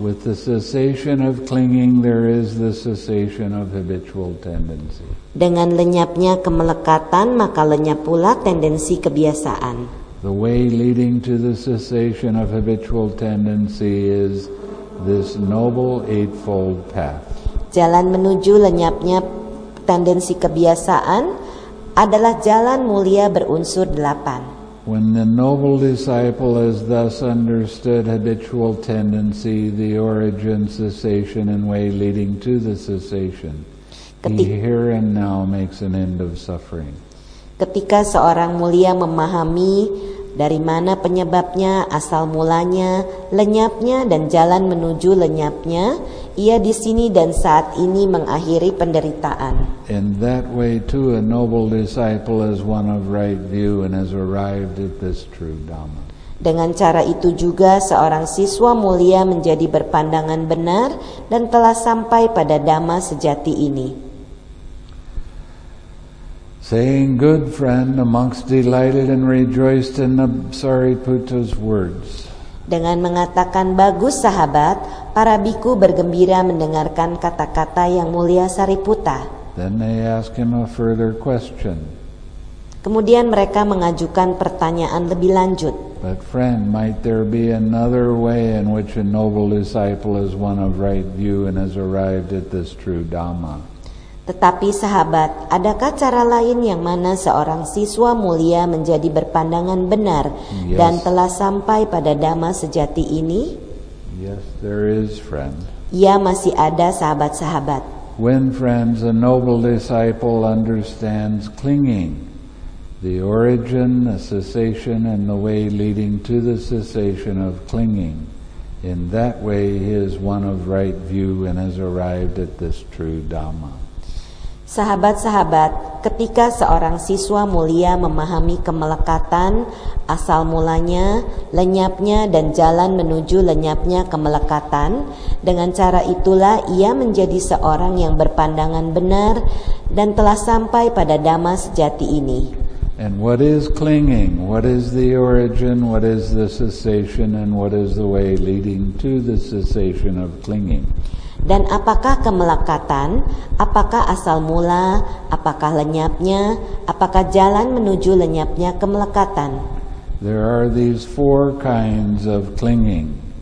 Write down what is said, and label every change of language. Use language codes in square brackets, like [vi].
[en] With the cessation of clinging, there is the cessation of habitual tendency. [id] Dengan lenyapnya kemelekatan, maka lenyap pula tendensi kebiasaan. [en] The way leading to the cessation of habitual tendency is this noble eightfold path. [id] Jalan menuju lenyapnya tendensi kebiasaan adalah jalan mulia berunsur delapan. [en] When the noble disciple has thus understood habitual tendency, the origin, cessation, and way leading to the cessation, he here and now makes an end of suffering. [id] Ketika seorang mulia memahami dari mana penyebabnya, asal mulanya, lenyapnya, dan jalan menuju lenyapnya, ia di sini dan saat ini mengakhiri penderitaan. [en] In that way too, a noble disciple is one of right view and has arrived at this true Dhamma. [id] Dengan cara itu juga, seorang siswa mulia menjadi berpandangan benar dan telah sampai pada Dhamma sejati ini. [en] Saying good friend, the monks delighted and rejoiced in the Sariputta's words. [id] Dengan mengatakan bagus sahabat, para bhikkhu bergembira mendengarkan kata-kata yang mulia Sariputta. [en] Then they ask him a further question. [id] Kemudian mereka mengajukan pertanyaan lebih lanjut. [en] But friend, might there be another way in which a noble disciple is one of right view and has arrived at this true Dhamma? [id] Tetapi sahabat, adakah cara lain yang mana seorang siswa mulia menjadi berpandangan benar dan telah sampai pada Dhamma sejati ini? [en] Yes, there is, friend. [id] Ya, masih ada sahabat-sahabat. [en] When friends, a noble disciple understands clinging, the origin, the cessation, and the way leading to the cessation of clinging, in that way he is one of right view and has arrived at this true Dhamma. [id] Sahabat-sahabat, ketika seorang siswa mulia memahami kemelekatan, asal mulanya, lenyapnya, dan jalan menuju lenyapnya kemelekatan, dengan cara itulah ia menjadi seorang yang berpandangan benar dan telah sampai pada Dhamma sejati ini. [en] And what is clinging? What is the origin? What is the cessation? And what is the way leading to the cessation of clinging? [id] Dan apakah kemelekatan, apakah asal mula, apakah lenyapnya, apakah jalan menuju lenyapnya kemelekatan? [en] There are these four kinds of clinging.